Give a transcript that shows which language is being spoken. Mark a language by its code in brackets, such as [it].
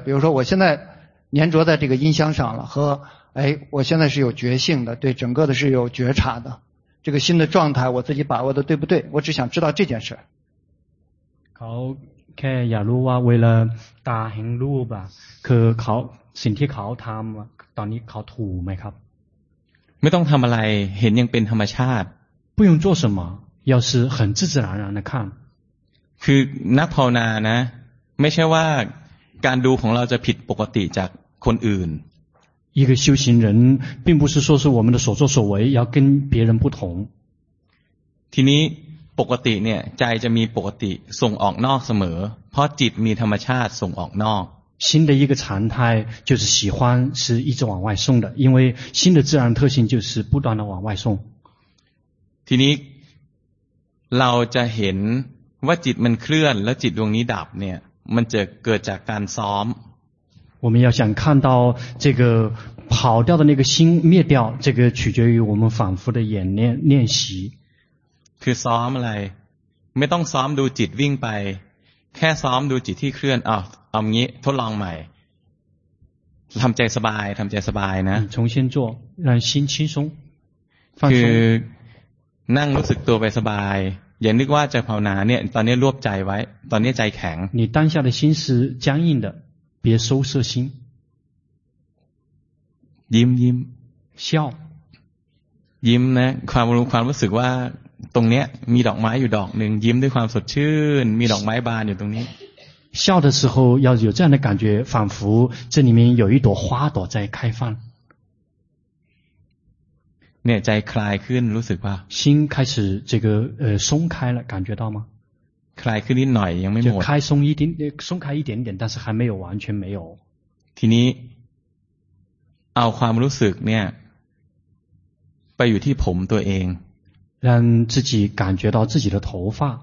[zh] 比如说，我现在粘着在这个音箱上了，和哎，我现在是有觉性的，对整个的是有觉察的，这个心的状态我自己把握的对不对？我只想知道这件事。好。 [th] แค่อยากรู้ว่าเวลาตาเห็นรูปอ่ะคือเขาสิ่งที่เขาทำตอนนี้เขาถูกไหมครับ ไม่ต้องทำอะไรเห็นยังเป็นธรรมชาติ [zh] 不用做什么要是很自自然然的看 [th] คือนักภาวนานะไม่ใช่ว่าการดูของเราจะผิดปกติจากคนอื่น [zh] 一个修行人并不是说是我们的所作所为要跟别人不同 [th] ทีนี้ปกติเนี่ยใจจะมีปกติส่งออกนอกเสมอเพราะจิตมีธรรมชาติส่งออกนอก [zh] 心的一个常态就是喜欢是一直往外送的因为心的自然特性就是不断的往外送 [th] ทีนี้เราจะเห็นว่าจิตมันเคลื่อนแล้วจิตดวงนี้ดับเนี่ยมันจะเกิดจากการซ้อม [zh] 我们要想看到这个跑掉的那个心灭掉这个取决于我们反复的演练练习 [th] คือซ้อมอะไรไม่ต้องซ้อมดูจิตวิ่งไปแค่ซ้อมดูจิตที่เคลื่อนเอาเอางี้ทดลองใหม่ทำใจสบายทำใจสบายนะ [zh] 重新做让心轻松 [th] คือนั่งรู้สึกตัวไปสบายอย่านึกว่าจะภาวนาเนี่ยตอนนี้รวบใจไว้ตอนนี้ใจแข็ง [zh] 你当下的心是僵硬的别收摄心 [th] ยิ้มยิ้ม [zh] 笑 [th] ยิ้มนะความรู้สึกว่าตรงเนี้ยมีดอกไม้อยู่ดอกหนึ่งยิ้มด้วยความสดชื่นมีดอกไม้บานอยู่ตรงนี้ [zh] 笑的时候要有这样的感觉仿佛这里面有一朵花朵在开放 [th] เนี่ยใจคลายขึ้นรู้สึกว่า [zh] 心开始这个松开了感觉到吗 [th] คลายขึ้นนิดหน่อยยังไม่หมด [zh] 就开松一点松开一点点但是还没有完全没有 [th] ทีนี้เอาความรู้สึกเนี่ยไปอยู่ที่ผมตัวเอง [zh] 让自己感觉到自己的头发